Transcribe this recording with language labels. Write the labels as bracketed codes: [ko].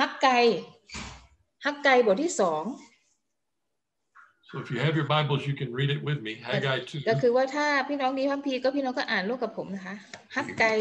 [th] Haggai บทที่สอง [en] So if you have your Bibles, you can read it with me. Haggai 2. [th] ก็คือว่าถ้าพี่น้องมีพระคัมภีร์ก็พี่น้องก็อ่านร่วมกับผมนะคะ Haggai.